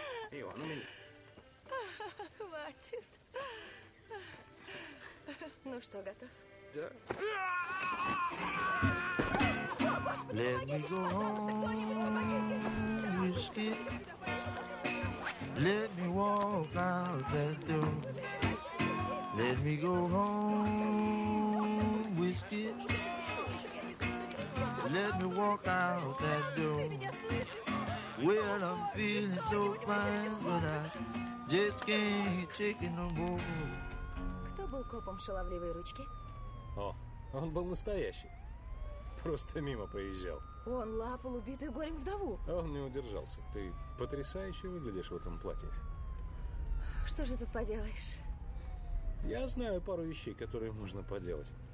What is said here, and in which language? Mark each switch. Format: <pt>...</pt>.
<ru>И он у меня. Хватит. Ну что, готов? Да. Господи, помогите, пожалуйста, кто-нибудь помогите.</ru> <en>Let me walk out that door. Let me go home, whiskey. Let me walk out that door. Well, I'm feeling so fine, but I just can't take it no more.</en> <ru>Кто был копом шаловливой ручки? О, он был настоящий. Просто мимо проезжал. Он лапал убитую горем вдову. Он не удержался. Ты потрясающе выглядишь в этом платье. Что же тут поделаешь? Я знаю пару вещей, которые можно поделать.</ru>